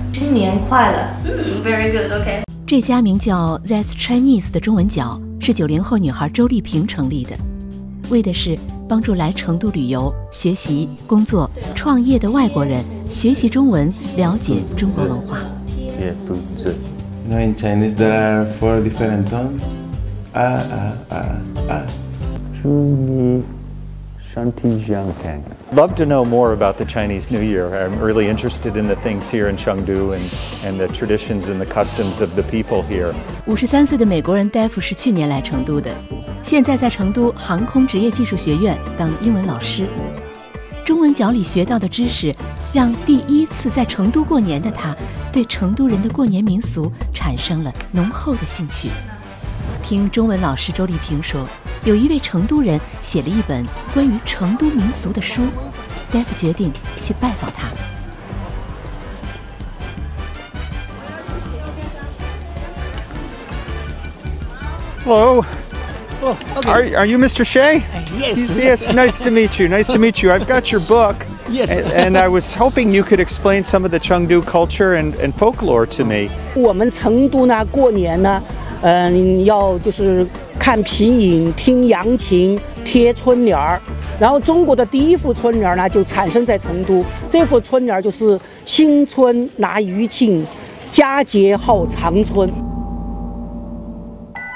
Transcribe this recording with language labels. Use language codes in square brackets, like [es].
[zh] 新年快乐， [en] 嗯 ，Very good，OK。 [zh] 这家名叫 That's Chinese 的中文角是90后女孩周丽萍成立的，为的是帮助来成都旅游、学习、工作、创业的外国人学习中文，了解中国文化。 [en] Yeah, food. You know, in Chinese there are 4 different tones. Ah, ah, ah, ah. Shuni, Shanti, Jiangtang. Love to know more about the Chinese New Year. I'm really interested in the things here in Chengdu and the traditions and the customs of the people here. [zh] 53岁的美国人 Dave 是去年来成都的，现在在成都航空职业技术学院当英文老师。中文角里学到的知识，让第一次在成都过年的他，对成都人的过年民俗产生了浓厚的兴趣。听中文老师周丽萍说，有一位成都人写了一本关于成都民俗的书 ，Dave 决定去拜访他。 [en] Hello, are you Mr. Shea? Yes. Yes, nice to meet you. Nice to meet you. I've got your book. Yes. And I was hoping you could explain some of the Chengdu culture and folklore to me. [zh] 我们成都呢，过年呢，要就是。看皮影，听扬琴，贴春联儿。然后中国的第一幅春联呢，就产生在成都。这幅春联就是“新春拿余庆，佳节号长春”。